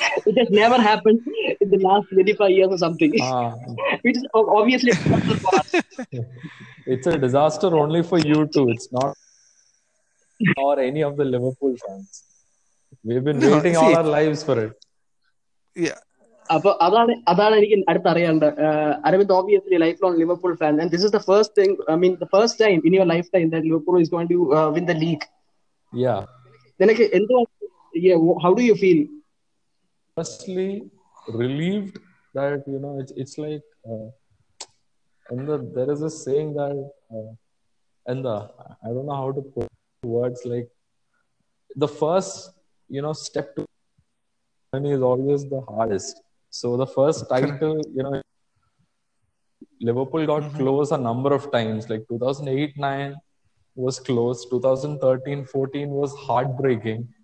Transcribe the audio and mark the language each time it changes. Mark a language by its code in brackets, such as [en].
[en] It has never happened in the last 25 years or something. Which is obviously a disaster for us. It's a disaster only for you two. It's not for any of the Liverpool fans. We've been waiting all our lives for it. Yeah. [ml] അപ്പൊ അതാണ് അതാണ് എനിക്ക് അടുത്ത് അറിയേണ്ടത്. [en] Aravind obviously life long Liverpool fan, and this is the first thing I mean the first time in your life time that Liverpool is going to win the league. Yeah, [ml] നിനക്ക് എന്തോ [en] How do you feel? Firstly relieved that you know it's like എന്താ, there is A സെയിംഗ് that എന്താ, I Dr know how to put words, like the first you know step to journey is always the hardest. So the first title, you know, Liverpool got close a number of times, like 2008-09 was close, 2013-14 was heartbreaking.